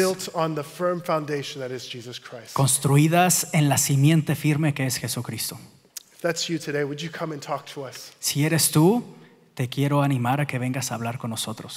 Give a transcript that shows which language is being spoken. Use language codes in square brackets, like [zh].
[en] built on the firm foundation that is Jesus Christ. [es] Construidas en la simiente firme que es Jesucristo. [en] If that's you today, would you come and talk to us? [es] Si eres tú, te quiero animar a que vengas a hablar con nosotros.